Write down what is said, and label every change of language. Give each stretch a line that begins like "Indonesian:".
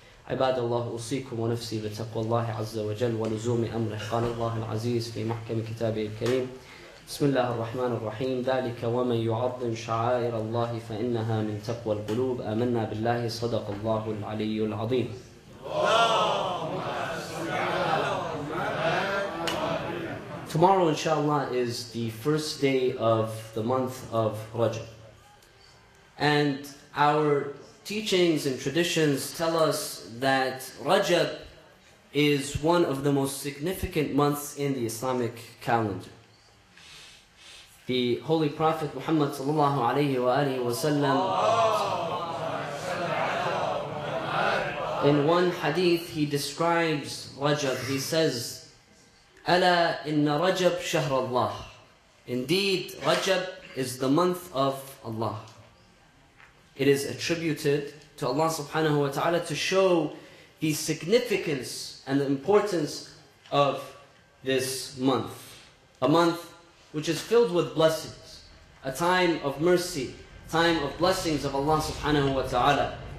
Arabic: عباد الله أوصيكم ونفسي بتقوى الله عز وجل ولزوم أمره. قال الله العزيز في محكم كتابه الكريم بسم الله الرحمن الرحيم ذلك ومن يعظم شعائر الله فإنها من تقوى القلوب. آمنا بالله صدق الله العلي العظيم.
English: Tomorrow, inshallah, is the first day of the month of Rajab. And our teachings and traditions tell us that Rajab is one of the most significant months in the Islamic calendar. The Holy Prophet Muhammad sallallahu alayhi wa alihi wa sallam, in one hadith, he describes Rajab. He says,
Arabic: أَلَا إِنَّ رَجَبْ شَهْرَ اللَّهِ.
English: Indeed, Rajab is the month of Allah. It is attributed to Allah subhanahu wa ta'ala to show the significance and the importance of this month. A month which is filled with blessings. A time of mercy, time of blessings of Allah subhanahu wa ta'ala.